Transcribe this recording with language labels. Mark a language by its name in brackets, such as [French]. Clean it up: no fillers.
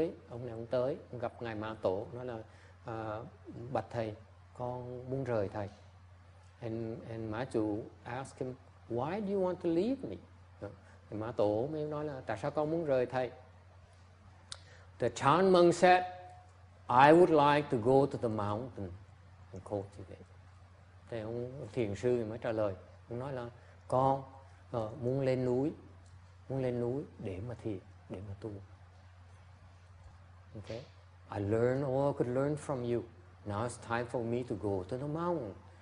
[Vietnamese] Ông tới, ông gặp ngài Mã Tổ, nói là bạch thầy, con muốn rời thầy. [English] And Mã Tổ asked him, why do you want to leave me? [Vietnamese] Thì Mã Tổ mới nói là tại sao con muốn rời thầy. [English] The Chan monk said, I would like to go to the mountain and cultivate. [Vietnamese] Thì ông thiền sư mới trả lời, ông nói là con muốn lên núi để mà thiền, để mà tu. [English] Okay, I learned all I could learn from you. Now it's time for me to go to the mountain.